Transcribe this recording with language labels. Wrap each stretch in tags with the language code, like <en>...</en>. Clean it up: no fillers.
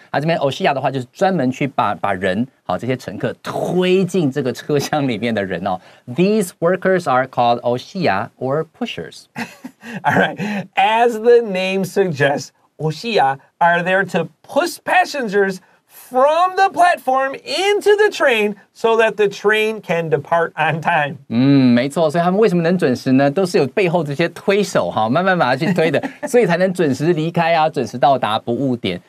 <zh>啊，这边 Osia 的话就是专门去把人好这些乘客推进这个车厢里面的人哦。</zh> <en>These workers are called Osia or pushers. All right. As the name suggests, Osia are there to push passengers. From the platform into the train so that the train can depart on time.</en> <zh>没错，所以他们为什么能准时呢？都是有背后这些推手哈，慢慢把它去推的，所以才能准时离开啊，准时到达，不误点。</zh>